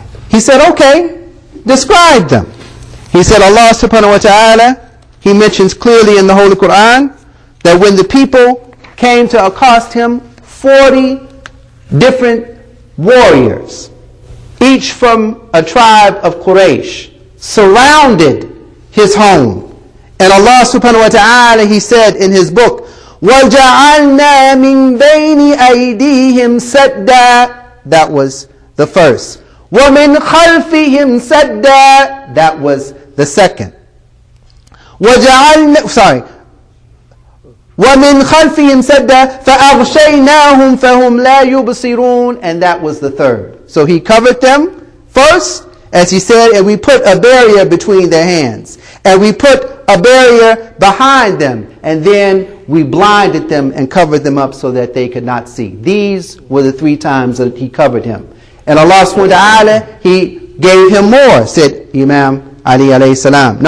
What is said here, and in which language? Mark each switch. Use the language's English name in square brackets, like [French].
[English] He said, okay, describe them. He said, Allah subhanahu wa ta'ala, he mentions clearly in the Holy Quran that when the people came to accost him, 40 different warriors, each from a tribe of Quraysh, surrounded his home. And Allah subhanahu wa ta'ala, he said in his book, [Arabic] وَجَعَلْنَا مِنْ بَيْنِ أَيْدِيهِمْ سَدًّا. [English] That was the first. [Arabic] وَمِنْ خَلْفِهِمْ سَدًّا. [English] That was the second. [Arabic] وجعلنا [English] sorry [Arabic] ومن خلفهم سدا فأغشيناهم فهم لا يبصرون. [English] And that was the third. So he covered them first, as he said, and we put a barrier between their hands, and we put a barrier behind them, and then we blinded them and covered them up so that they could not see. These were the three times that he covered him. And Allah subhanahu wa ta'ala, he gave him more, said Imam Ali alayhi salam.